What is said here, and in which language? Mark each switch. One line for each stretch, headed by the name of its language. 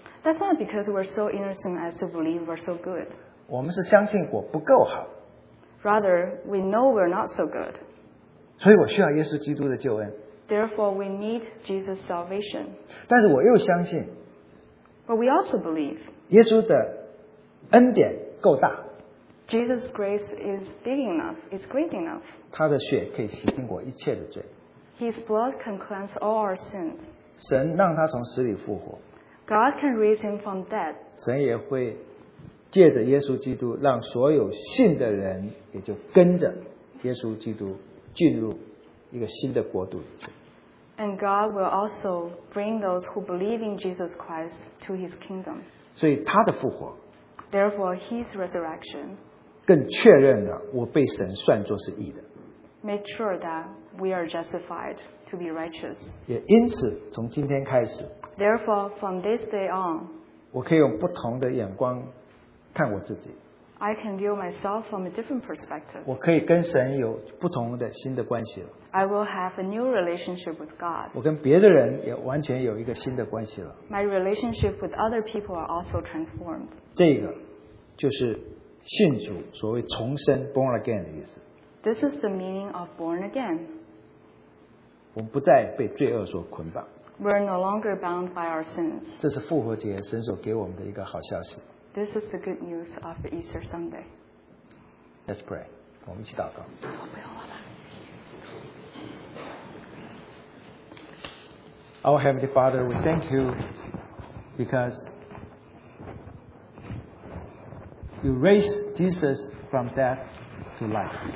English: That's not because we're so innocent as to believe we're so good.
Chinese: 我们是相信我不够好。
English: Rather, we know we're not so good.
Chinese: 所以我需要耶稣基督的救恩。
English: Therefore, we need Jesus' salvation.
Chinese: 但是我又相信。
English: But we also believe.
Chinese: 耶稣的恩典够大。
English: Jesus' grace is big enough. It's great enough.
Chinese: 他的血可以洗净我一切的罪。
English: His blood can cleanse all our sins.
Chinese: 神让他从死里复活。
English: God can raise him from death.
Chinese: 神也会借着耶稣基督让所有信的人也就跟着耶稣基督进入一个新的国度。
English: And God will also bring those who believe in Jesus Christ to his kingdom.
Chinese: 所以他的复活
English: Therefore his resurrection
Chinese: 更确认了我被神算作是义的
English: Make sure that we are justified to be righteous.
Chinese: 也因此从今天开始
English: Therefore from this day on
Chinese: 我可以用不同的眼光看我自己。
English: I can view myself from a different perspective.
Chinese: 我可以跟神有不同的新的关系了。
English: I will have a new relationship with God.
Chinese: 我跟别的人也完全有一个新的关系了。
English: My relationship with other people are also transformed.
Chinese: 这个就是信主所谓重生 born again 的意思。
English: This is the meaning of born again.
Chinese: 我们不再被罪恶所捆绑。
English: We're no longer bound by our sins.
Chinese: 这是复活节神所给我们的一个好消息。
English: This is the good news of Easter Sunday. Let's pray.
Chinese: 我们一起祷告。
English: Our Heavenly Father, we thank you because you raised Jesus from death to life.